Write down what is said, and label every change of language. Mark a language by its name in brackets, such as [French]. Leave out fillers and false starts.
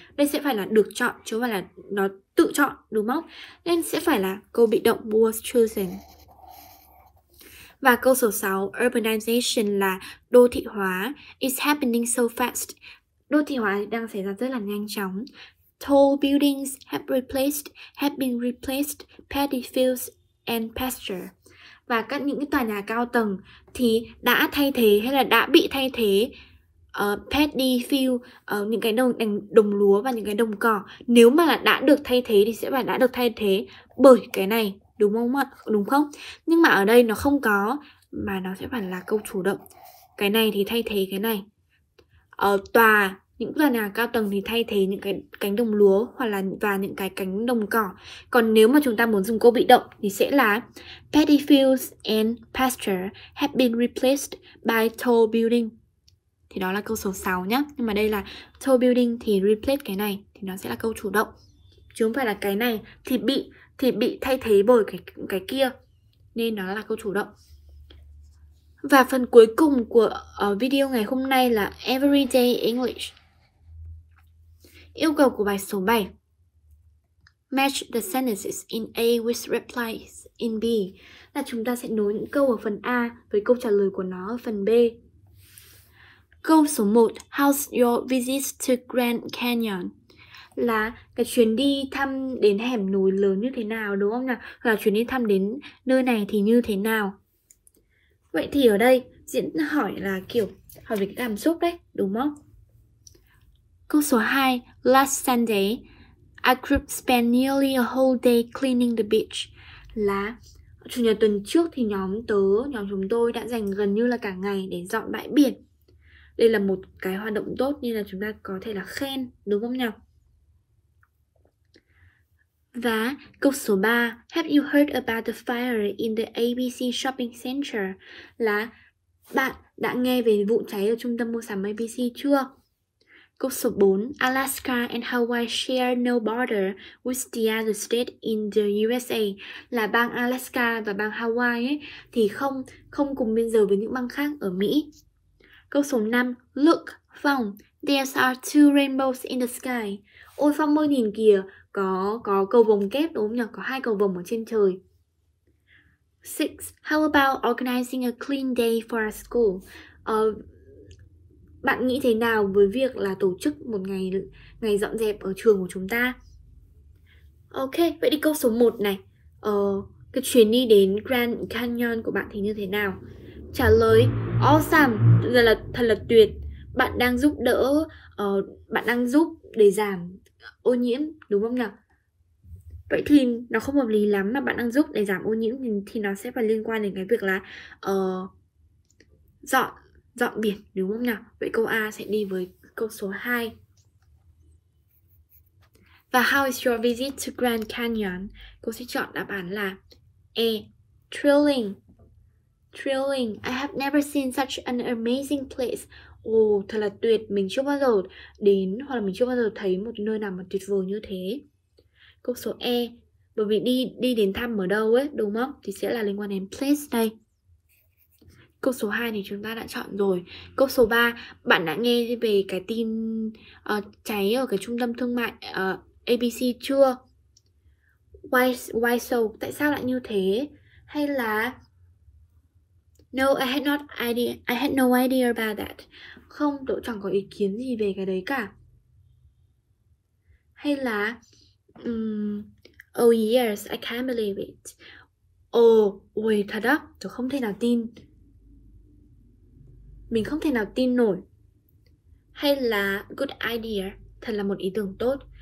[Vietnamese] Đây sẽ phải là được chọn chứ không phải là nó tự chọn, đúng không? Nên sẽ phải là câu bị động [English] was chosen. [Vietnamese] Và câu số 6, urbanization là đô thị hóa, [English] is happening so fast. [Vietnamese] Đô thị hóa đang xảy ra rất là nhanh chóng. [English] Tall buildings have been replaced, paddy fields and pasture. [Vietnamese] Và các những cái tòa nhà cao tầng thì đã thay thế hay là đã bị thay thế paddy field, những cái đồng lúa và những cái đồng cỏ. Nếu mà là đã được thay thế thì sẽ phải đã được thay thế bởi cái này. Đúng không ạ? Đúng không? Nhưng mà ở đây nó không có, mà nó sẽ phải là câu chủ động. Cái này thì thay thế cái này. Ở tòa, những tòa nhà cao tầng thì thay thế những cái cánh đồng lúa hoặc là và những cái cánh đồng cỏ. Còn nếu mà chúng ta muốn dùng câu bị động thì sẽ là [English] paddy fields and pasture have been replaced by tall building. [Vietnamese] Thì đó là câu số 6 nhá. Nhưng mà đây là [English] tall building [Vietnamese] thì replace cái này thì nó sẽ là câu chủ động. Chứ không phải là cái này thì bị thay thế bởi cái kia, nên nó là câu chủ động. Và phần cuối cùng của video ngày hôm nay là Everyday English. Yêu cầu của bài số 7. [English] Match the sentences in A with replies in B. [Vietnamese] Là chúng ta sẽ nối những câu ở phần A với câu trả lời của nó ở phần B. Câu số 1. [English] How's your visit to Grand Canyon? [Vietnamese] Là cái chuyến đi thăm đến hẻm núi lớn như thế nào, đúng không nào? Hoặc là chuyến đi thăm đến nơi này thì như thế nào? Vậy thì ở đây diễn hỏi là kiểu hỏi về cái cảm xúc đấy, đúng không? Câu số 2. [English] Last Sunday, a group spent nearly a whole day cleaning the beach. [Vietnamese] Là chủ nhật tuần trước thì nhóm chúng tôi đã dành gần như là cả ngày để dọn bãi biển. Đây là một cái hoạt động tốt nên là chúng ta có thể là khen, đúng không nào? Và câu số 3, [English] have you heard about the fire in the ABC shopping center? [Vietnamese] Là bạn đã nghe về vụ cháy ở trung tâm mua sắm ABC chưa? Câu số 4, [English] Alaska and Hawaii share no border with the other state in the USA. [Vietnamese] Là bang Alaska và bang Hawaii ấy, thì không cùng biên giới với những bang khác ở Mỹ. Câu số 5, [English] look, Phong, there are two rainbows in the sky. [Vietnamese] Ôi Phong ơi, nhìn kìa, có cầu vồng kép, đúng không nhỉ? Có hai cầu vồng ở trên trời. 6. [English] How about organizing a clean day for our school? [Vietnamese] Bạn nghĩ thế nào với việc là tổ chức một ngày dọn dẹp ở trường của chúng ta? Ok, vậy đi câu số 1 này. Cái chuyến đi đến Grand Canyon của bạn thì như thế nào? Trả lời [English] awesome, [Vietnamese] là thật là tuyệt. Bạn đang giúp đỡ, bạn đang giúp để giảm ô nhiễm, đúng không nào? Vậy thì nó không hợp lý lắm mà bạn đang giúp để giảm ô nhiễm thì nó sẽ phải liên quan đến cái việc là dọn biển, đúng không nào? Vậy câu A sẽ đi với câu số 2. Và [English] how is your visit to Grand Canyon? [Vietnamese] Cô sẽ chọn đáp án là A. [English] Thrilling. Thrilling. I have never seen such an amazing place. [Vietnamese] Thật là tuyệt. Mình chưa bao giờ đến hoặc là mình chưa bao giờ thấy một nơi nào mà tuyệt vời như thế. Câu số E. Bởi vì đi đến thăm ở đâu ấy, đúng không? Thì sẽ là liên quan đến place đây. Câu số 2 thì chúng ta đã chọn rồi. Câu số 3. Bạn đã nghe về cái tin cháy ở cái trung tâm thương mại ABC chưa? [English] Why so? [Vietnamese] Tại sao lại như thế? Hay là [English] I had no idea about that. [Vietnamese] Không, tôi chẳng có ý kiến gì về cái đấy cả. Hay là [English] oh yes, I can't believe it. [Vietnamese] Thật á, tôi không thể nào tin. Mình không thể nào tin nổi. Hay là [English] good idea, [Vietnamese] thật là một ý tưởng tốt.